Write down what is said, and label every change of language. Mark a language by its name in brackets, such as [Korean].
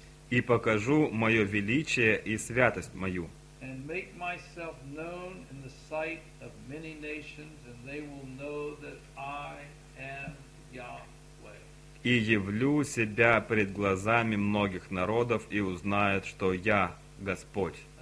[Russian] И покажу мое величие и святость мою. [English] And make myself known in the sight of many nations, and they will know that I am Yah. [Russian] И явлю себя пред глазами многих народов, и узнают, что я Господь,